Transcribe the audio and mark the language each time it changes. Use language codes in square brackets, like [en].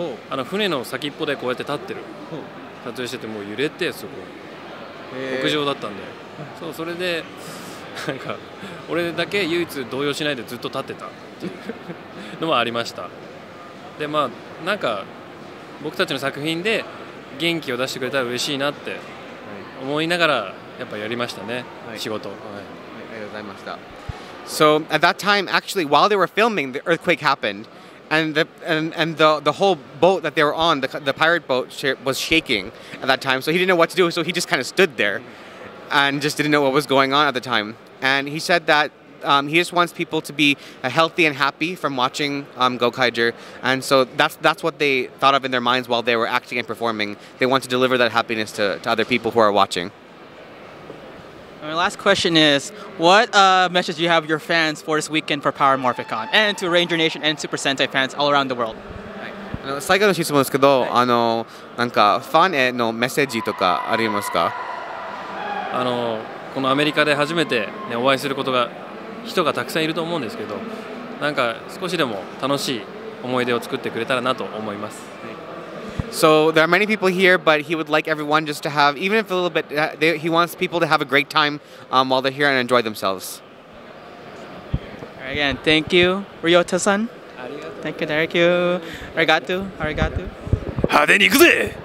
[ja] あの船の先っぽでこうやって立ってる撮影してて、もう揺れてすごい屋上だったんで、そう、それでなんか俺だけ唯一動揺しないでずっと立ってたっていうのもありました。でまあなんか僕たちの作品で元気を出してくれたら嬉しいなって思いながらやっぱやりましたね、はい、仕事、はい、ありがとうございました。 [en] So at that time actually while they were filming the earthquake happened and the whole boat that they were on, the pirate boat was shaking at that time, so he didn't know what to do, so he just kind of stood there and just didn't know what was going on at the time. And he said that he just wants people to be healthy and happy from watching Gokaiger, and so that's what they thought of in their minds while they were acting and performing. They want to deliver that happiness to other people who are watching. My last question is, what message do you have your fans for this weekend for Power Morphicon and to Ranger Nation and Super Sentai fans all around the world? [ja] あの、最後の質問ですけど、あの、なんかファンへのメッセージとかありますか？あの、このアメリカで初めて、ね、お会いすることが人がたくさんいると思うんですけど、なんか少しでも楽しい思い出を作ってくれたらなと思います。 [en] So there are many people here, but he would like everyone just to have, even if a little bit, he wants people to have a great time while they're here and enjoy themselves. Again, thank you, Ryota-san. Thank you, thank you. [ja] Arigato, arigato. 派手に行くぜ!